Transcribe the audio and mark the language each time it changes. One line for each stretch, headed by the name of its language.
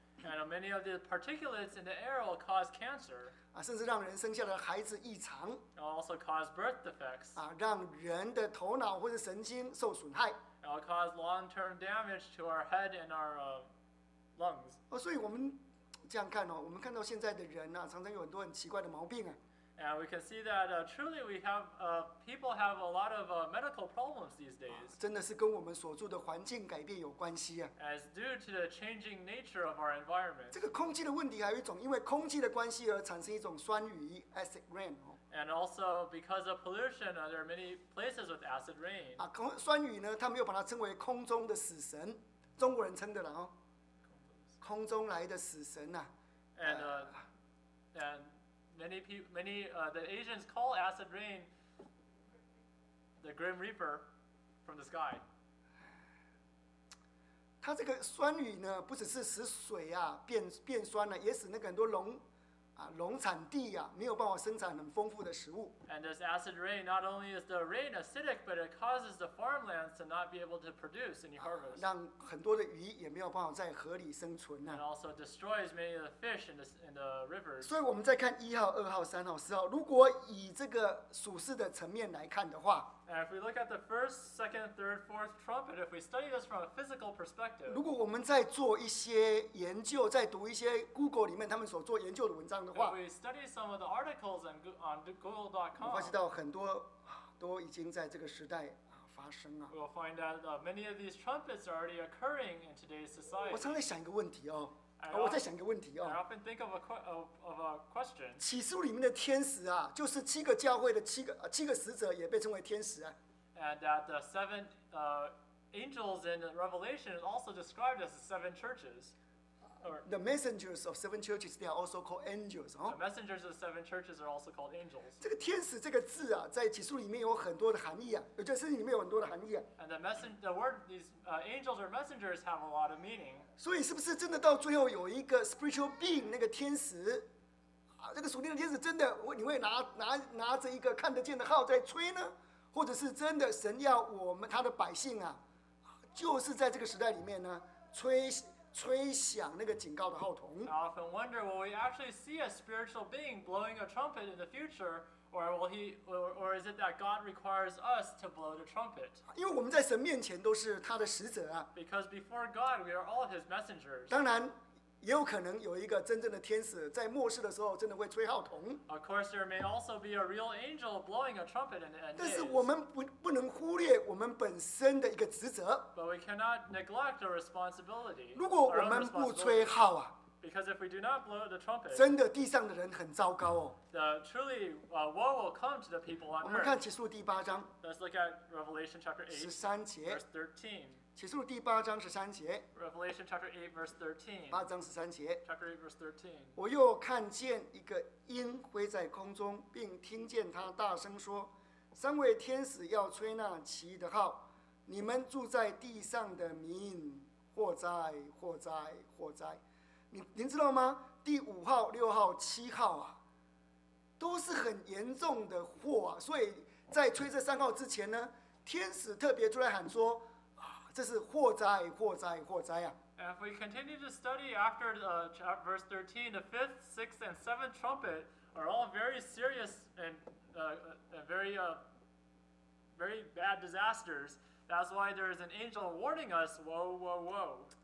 English: And many of the particulates in the air will cause cancer.
Chinese: 甚至让人生下的孩子异常。
English: It'll also cause birth defects.
Chinese: 让人的头脑或者神经受损害。
English: It'll cause long-term damage to our head and our lungs.
Chinese: 所以我们这样看哦，我们看到现在的人常常有很多很奇怪的毛病啊。
English: And we can see that truly we have people have a lot of medical problems these days.
Chinese: 真的是跟我们所住的环境改变有关系啊。
English: As due to the changing nature of our environment.
Chinese: 这个空气的问题还有一种因为空气的关系而产生一种酸雨
English: acid rain. And also because of pollution, there are many places with acid rain.
Chinese: 酸雨呢，他们又把它称为空中的死神，中国人称的了哦，空中来的死神呐。
English: And the Asians call acid rain the Grim Reaper from the sky.
Chinese: 它这个酸雨呢，不只是使水变酸了，也使那个很多农产地没有办法生产很丰富的食物。
English: And this acid rain not only is the rain acidic, but it causes the farmlands to not be able to produce any harvest.
Chinese: 让很多的鱼也没有办法在河里生存了。
English: And also destroys many of the fish in the rivers.
Chinese: 所以我们再看一号、二号、三号、四号，如果以这个属世的层面来看的话。
English: And if we look at the first, second, third, fourth trumpet, if we study this from a physical perspective,
Chinese: 如果我们在做一些研究，在读一些 Google 里面他们所做研究的文章的话，
English: if we study some of the articles on Google.com,
Chinese: 发现到很多都已经在这个时代发生了。
English: We'll find that many of these trumpets are already occurring in today's society.
Chinese: 我常在想一个问题哦。我在想一个问题哦。
English: I often think of a question.
Chinese: 启示录里面的天使啊，就是七个教会的七个使者，也被称为天使啊。
English: And that the seven angels in Revelation is also described as the seven churches. The messengers of seven churches, they are also called angels. The messengers of seven churches are also called angels.
Chinese: 这个天使这个字啊，在启示录里面有很多的含义啊，就圣经里面有很多的含义啊。
English: And the word these angels or messengers have a lot of meaning.
Chinese: 所以是不是真的到最后有一个
English: spiritual being
Chinese: 那个天使，那个属灵的天使真的你会拿着一个看得见的号在吹呢？或者是真的神要我们他的百姓就是在这个时代里面呢，吹吹响那个警告的号筒。
English: I often wonder, will we actually see a spiritual being blowing a trumpet in the future, or is it that God requires us to blow the trumpet?
Chinese: 因为我们在神面前都是他的使者啊。
English: Because before God, we are all his messengers.
Chinese: 当然也有可能有一个真正的天使在末世的时候真的会吹号筒。
English: Of course, there may also be a real angel blowing a trumpet in the end.
Chinese: 但是我们 不能忽略我们本身的一个职责。
English: But we cannot neglect our responsibility.
Chinese: 如果我们不吹号啊，
English: because if we do not blow the trumpet,
Chinese: 真的地上的人很糟糕哦。
English: Truly, woe will come to the people on earth.
Chinese: 我们看启示录第八章。
English: Let's look at Revelation chapter 8,
Chinese: 十三节。
English: Verse 13.
Chinese: 启示录第八章十三节。
English: Revelation chapter 8 verse 13.
Chinese: 八章十三节。
English: Chapter 8 verse 13.
Chinese: 我又看见一个鹰飞在空中，并听见他大声说：“三位天使要吹那其的号，你们住在地上的民，祸灾，祸灾，祸灾！” 您知道吗？第五号、六号、七号啊，都是很严重的祸啊。所以在吹这三号之前呢，天使特别出来喊说。这是祸灾，祸灾，祸灾啊！
English: And if we continue to study after the verse 13, the fifth, sixth, and seventh trumpet are all very serious and very bad disasters. That's why there is an angel warning us, woe, woe, woe.